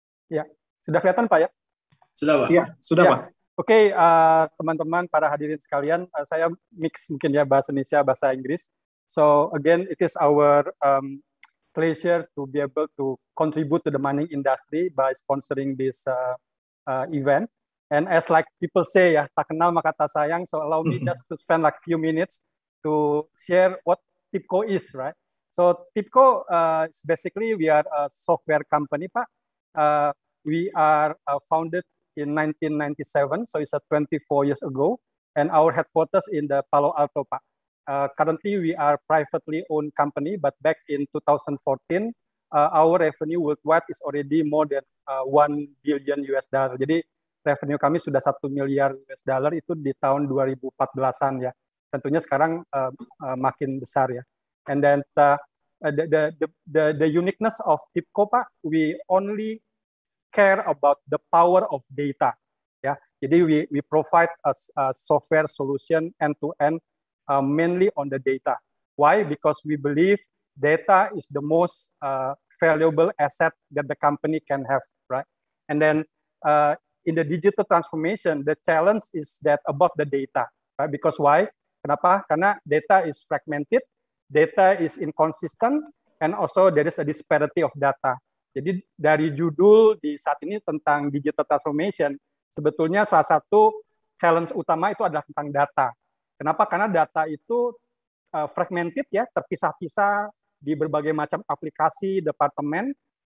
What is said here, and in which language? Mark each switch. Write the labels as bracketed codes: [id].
[id] Ya, sudah kelihatan Pak ya? Sudah Pak. Ya, sudah ya. Pak. Oke, teman-teman para hadirin sekalian, saya mix mungkin ya bahasa Indonesia, bahasa Inggris. [en] So again, it is our pleasure to be able to contribute to the mining industry by sponsoring this event. And as like people say, ya, [id] tak kenal maka tak sayang, [en] so allow me just to spend like few minutes to share what TIBCO is, right? So TIBCO is basically, we are a software company, Pak. We are founded in 1997, so it's 24 years ago, and our headquarters in the Palo Alto, Pak. Currently, we are privately owned company, but back in 2014, our revenue worldwide is already more than $1 billion. [id] Jadi, revenue kami sudah $1 miliar itu di tahun 2014-an ya. Tentunya sekarang makin besar ya. [en] And then the uniqueness of TIBCO, Pak, we only care about the power of data. [id] Ya, jadi [en] we provide a software solution end to end. Mainly on the data. Why? Because we believe data is the most valuable asset that the company can have, right? And then in the digital transformation, the challenge is that about the data, right? Because why? [id] Kenapa? Karena [en] data is fragmented, data is inconsistent, and also there is a disparity of data. [id] Jadi dari judul di saat ini tentang digital transformation, sebetulnya salah satu challenge utama itu adalah tentang data. Kenapa? Karena data itu fragmented ya, terpisah-pisah di berbagai macam aplikasi, departemen,